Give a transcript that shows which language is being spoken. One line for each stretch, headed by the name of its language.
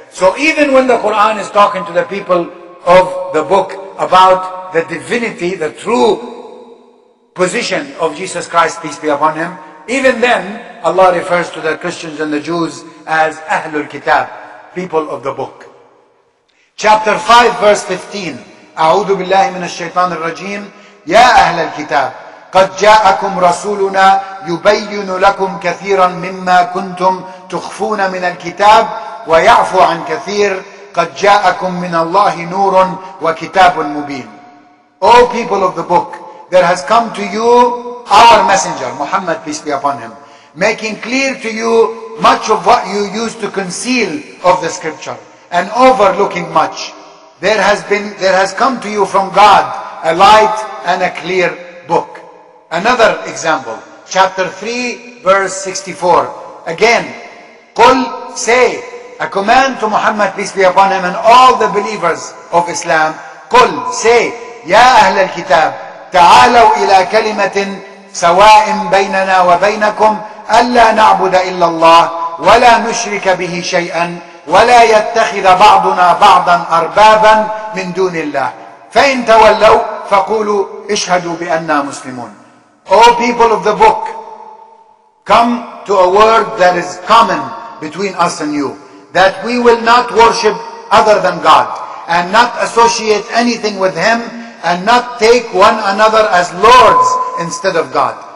English: So even when the Quran is talking to the people of the book about the divinity, the true position of Jesus Christ, peace be upon him, even then, Allah refers to the Christians and the Jews as Ahlul Kitab, people of the book. Chapter 5, verse 15.
Arabic: أعوذ بالله من الشيطان الرجيم يا أهل الكتاب قد جاءكم رسولنا يبين لكم كثيرا مما كنتم تخفون من الكتاب ويعفو عن كثير قد جاءكم من الله نور وكتاب مبين.
English: O people of the book, there has come to you our messenger, Muhammad, peace be upon him, making clear to you much of what you used to conceal of the scripture and overlooking much. There has come to you from God a light and a clear book. Another example, chapter 3, verse 64. Again, قل, say, a command to Muhammad, peace be upon him, and all the believers of Islam.
Arabic: قل, say, يا أهل الكتاب تعالوا إلى كلمة سواء بيننا وبينكم ألا نعبد إلا الله ولا نشرك به شيئا ولا يتخذ بعضنا بعضا أربابا من دون الله فإن تولوا فقولوا اشهدوا بأننا مسلمون.
English: O people of the book, come to a word that is common between us and you, that we will not worship other than God and not associate anything with him and not take one another as lords instead of God.